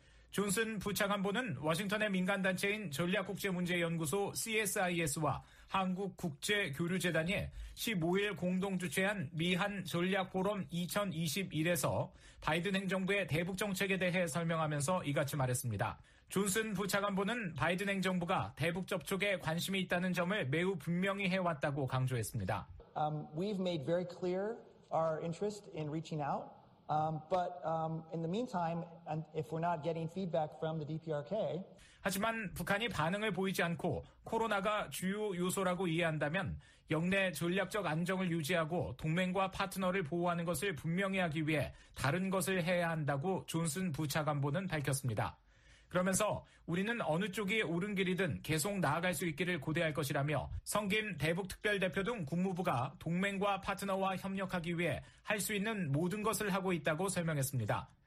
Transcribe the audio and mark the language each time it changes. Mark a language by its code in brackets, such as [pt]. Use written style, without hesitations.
[ko] 존슨 부차관보는 워싱턴의 민간단체인 전략국제문제연구소 CSIS와 한국국제교류재단이 15일 공동 주최한 미한 전략포럼 2021에서 바이든 행정부의 대북정책에 대해 설명하면서 이같이 말했습니다. 존슨 부차관보는 바이든 행정부가 대북 접촉에 관심이 있다는 점을 매우 분명히 해왔다고 강조했습니다. [en] We've made very clear our interest in reaching out. In the meantime, and if we're not getting feedback from the DPRK, [ko] 하지만 북한이 반응을 보이지 않고 코로나가 주요 요소라고 이해한다면 영내 전략적 안정을 유지하고 동맹과 파트너를 보호하는 것을 분명히 하기 위해 다른 것을 해야 한다고 존슨 부차관보는 밝혔습니다. 그러면서 우리는 어느 쪽이 옳은 길이든 계속 나아갈 수 있기를 고대할 것이라며 성 김 대북특별대표 등 국무부가 동맹과 파트너와 협력하기 위해 할 수 있는 모든 것을 하고 있다고 설명했습니다.